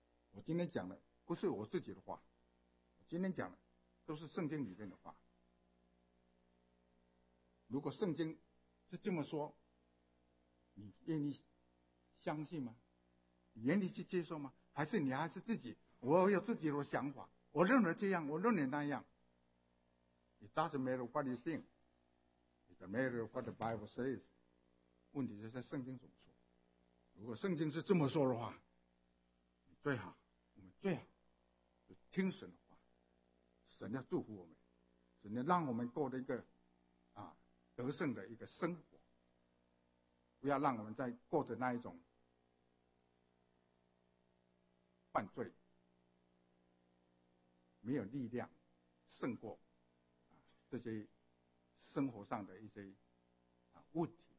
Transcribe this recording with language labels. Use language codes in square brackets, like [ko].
[zh] 我今天讲的不是我自己的话，我今天讲的都是圣经里面的话。如果圣经是这么说，你愿意相信吗？你愿意去接受吗？还是你还是自己，我有自己的想法，我认为这样，我认为那样。 [en] It doesn't matter what you think, it's a matter of what the Bible says。 [zh] 问题是在圣经怎么说。如果圣经是这么说的话，你最好，我们最好就听神的话。神要祝福我们，神要让我们过的一个得胜的一个生活，不要让我们在过着那一种犯罪，没有力量胜过这些生活上的一些问题。